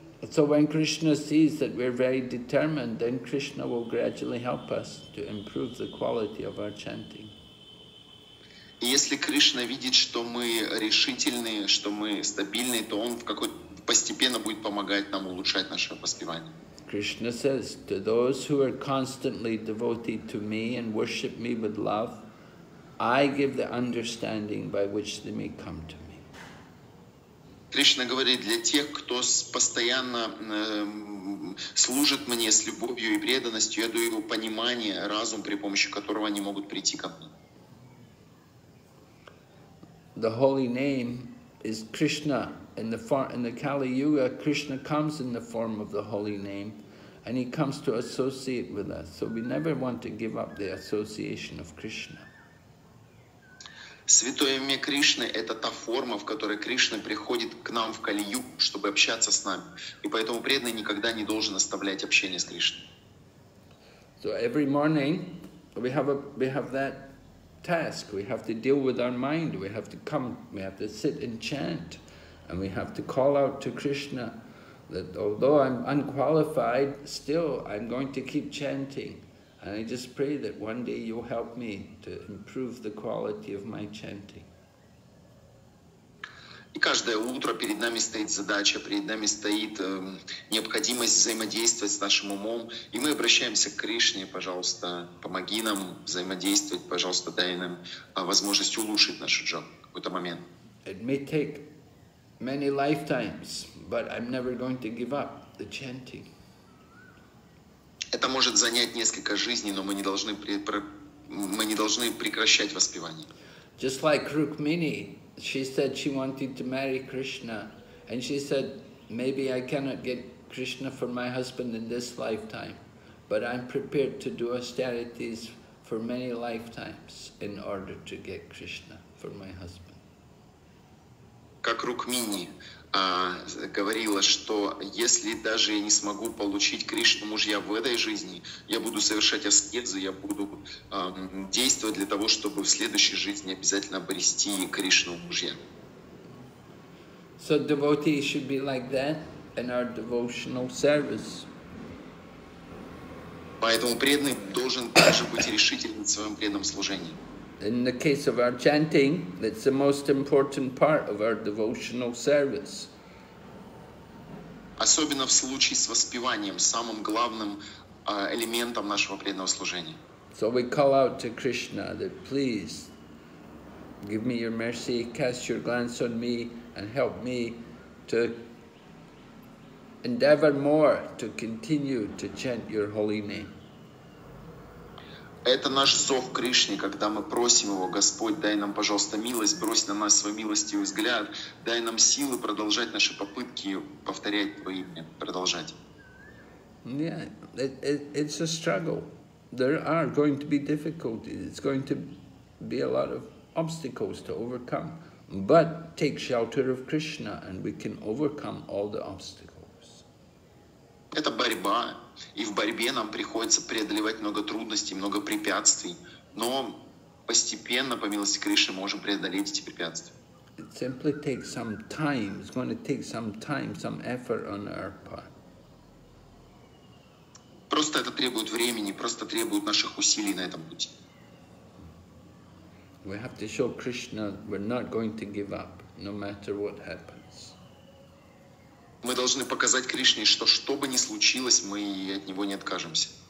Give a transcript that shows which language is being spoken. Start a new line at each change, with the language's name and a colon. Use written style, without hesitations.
English: So when Krishna sees that we're very determined, then Krishna will gradually help us to improve the quality of our chanting.
Russian: Если Кришна видит, что мы решительные, что мы стабильные, то он постепенно будет помогать нам улучшать наше воспевание.
English: Krishna says, to those who are constantly devoted to me and worship me with love, I give the understanding by which they may come to me.
Russian: Krishna говорит, для тех, кто постоянно служит мне с любовью и преданностью, я даю его понимание, разум, при помощи которого они могут прийти ко мне.
English: The holy name is Krishna. In the Kali Yuga, Krishna comes in the form of the holy name. And he comes to associate with us, so we never want to give up the association of Krishna.
Russian: Святое имя Кришны – это та форма, в которой Кришна приходит к нам в Кали-Югу, чтобы общаться с нами. И поэтому преданный никогда не должен оставлять общение с Кришной.
English: So every morning we have that task. We have to deal with our mind. We have to come. We have to sit and chant, and we have to call out to Krishna. That although I'm unqualified, still I'm going to keep chanting. And I just pray that one day you'll help me to improve the quality of my chanting.
Russian: И каждое утро перед нами стоит задача, перед нами стоит необходимость взаимодействовать с нашим умом. И мы обращаемся к Кришне, пожалуйста, помоги нам взаимодействовать, пожалуйста, дай нам возможность улучшить нашу джапу в какой-то момент.
English: It may take many lifetimes. But I'm never going to give up the chanting.
Russian: Это может занять несколько жизней, но мы не должны прекращать воспевание.
English: Just like Rukmini, she said she wanted to marry Krishna, and she said, maybe I cannot get Krishna for my husband in this lifetime, but I'm prepared to do austerities for many lifetimes in order to get Krishna for my husband.
Russian: Как Рукмини. Говорила, что если даже я не смогу получить Кришну мужья в этой жизни, я буду совершать аскезы, я буду действовать для того, чтобы в следующей жизни обязательно обрести Кришну мужья.
English: So devotee should be like that in our devotional service.
Russian: Поэтому преданный должен также быть решительным в своем преданном служении.
English: In the case of our chanting, that's the most important part of our devotional service.
Russian: Особенно в случае с воспеванием, самым главным элементом нашего преданного служения.
English: So we call out to Krishna that please give me your mercy, cast your glance on me and help me to endeavor more to continue to chant your holy name.
Russian: Это наш зов Кришне, когда мы просим Его: «Господь, дай нам, пожалуйста, милость, брось на нас свой милостивый взгляд, дай нам силы продолжать наши попытки повторять Твое имя, продолжать».
English: Yeah, it's a struggle. There are going to be difficulties. It's going to be a lot of obstacles to overcome. But take shelter of Krishna, and we can overcome all the obstacles.
Russian: Это борьба. И в борьбе нам приходится преодолевать много трудностей, много препятствий, но постепенно, по милости Кришны, можем преодолеть эти препятствия.
English: It simply takes some time. It's going to take some time, some effort on our part.
Russian: Просто это требует времени, просто требует наших усилий на этом пути.
English: We have to show Krishna we're not going to give up, no matter what happens.
Russian: Мы должны показать Кришне, что что бы ни случилось, мы от Него не откажемся.